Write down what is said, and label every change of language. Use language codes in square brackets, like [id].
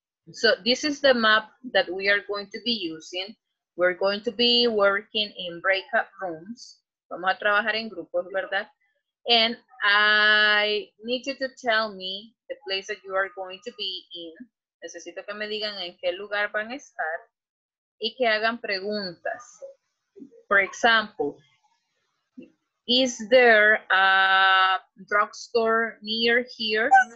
[en] So, this is the map that we are going to be using. We're going to be working in breakout rooms. [es] Vamos a trabajar en grupos, ¿verdad? [en] And I need you to tell me the place that you are going to be in. [es] Necesito que me digan en qué lugar van a estar y que hagan preguntas. [en] For example, is there a drugstore near here?